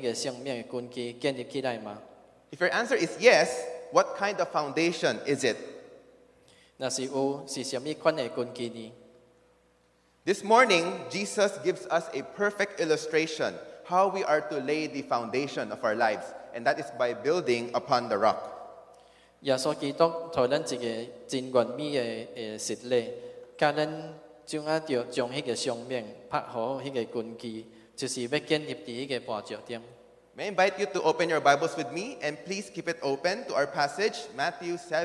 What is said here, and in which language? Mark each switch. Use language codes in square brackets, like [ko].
[nan] 咱怎啊将生命建立起来呢？咱有考虑要将迄个生命根基建立起来吗？ [en] If your answer is yes, what kind of foundation is it? [nan] 那是有是什么款的根基呢？ [en] This morning, Jesus gives us a perfect illustration how we are to lay the foundation of our lives, and that is by building upon the rock. May I invite you to open your Bibles with me, and please keep it open to our passage, Matthew